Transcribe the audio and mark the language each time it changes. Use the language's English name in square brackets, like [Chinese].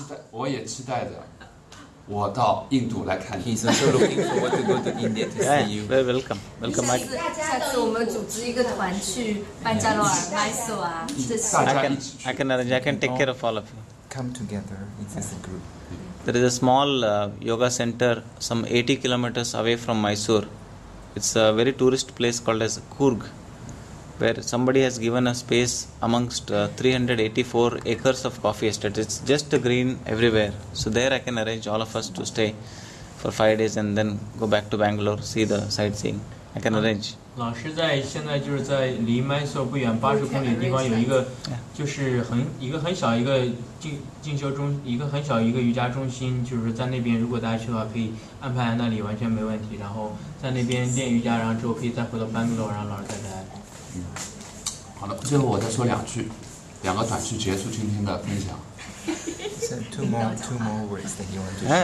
[Chinese] 我也期待着我到印度来看你。 [English] He's so looking forward to go to India to see you. Very welcome. Welcome, Mike. [Chinese] 下次我们组织一个团去班加罗尔、麦索啊，这些。 [English] I can take care of all of you. Come together. It's a group. There is a small yoga center some 80 kilometers away from Mysore. It's a very tourist place called as Coorg, where somebody has given a space amongst 384 acres of coffee estate. It's just green everywhere. So there I can arrange all of us to stay for 5 days and then go back to Bangalore, see the sightseeing I can arrange. [Chinese] 老师在现在就是在离 Mysore 不远80公里的地方有一个，就是很一个很小一个进修中，一个很小一个瑜伽中心，就是在那边。如果大家去的话，可以安排那里完全没问题。然后在那边练瑜伽，然后之后可以再回到 Bangalore， 然后老师再来。嗯，好的，最后我再说两句，两个短句结束今天的分享。 [English] two more words that you want to say.